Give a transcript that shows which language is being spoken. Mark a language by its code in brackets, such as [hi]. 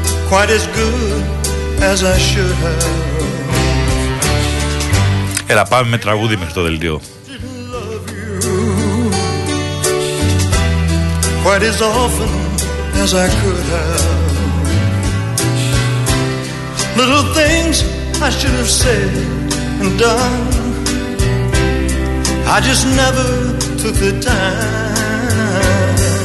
[en] Quite as good as I should have. [el] Έλα πάμε με τραγούδι μέχρι το δελτίο. [en] Quite as often as I could have. Little things I should have said and done. I just never took the time.